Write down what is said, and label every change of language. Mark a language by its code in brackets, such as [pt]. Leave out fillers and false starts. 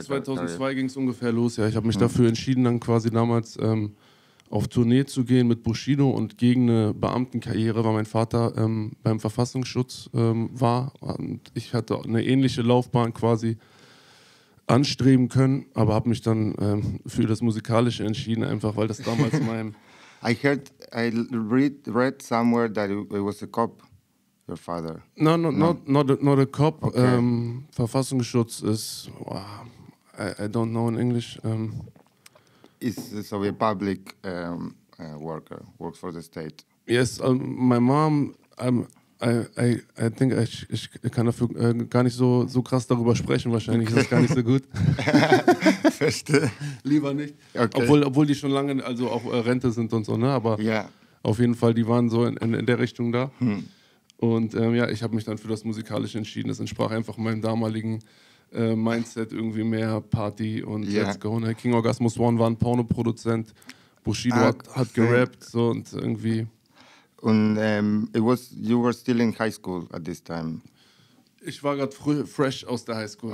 [de] 2002 ging es ungefähr los, ja. Ich habe mich dafür entschieden, dann quasi damals auf Tournee zu gehen mit Bushido und gegen eine Beamtenkarriere, weil mein Vater beim Verfassungsschutz war. Und ich hatte eine ähnliche Laufbahn quasi anstreben können, aber habe mich dann für das Musikalische entschieden, einfach weil das damals mein... [en] I read somewhere that it was a cop, your father. No, not a cop. Okay. Verfassungsschutz ist... Wow, I don't know in English. It's a public worker, works for the state. Yes, my mom... I think [de] ich kann dafür gar nicht so krass darüber sprechen, wahrscheinlich ist das gar nicht so gut. Verstehe. Lieber nicht. Okay. Obwohl die schon lange, also auch Rente sind und so, ne? Aber auf jeden Fall, die waren so in der Richtung da. Und ich habe mich dann für das Musikalische entschieden. Das entsprach einfach meinem damaligen Mindset, irgendwie mehr Party und [en] let's go. [de] Ne? King Orgasmus One war ein Pornoproduzent. Bushido hat gerappt so, und irgendwie... [en] And it was, you were still in high school at this time. [de] Ich war gerade fresh aus der High School.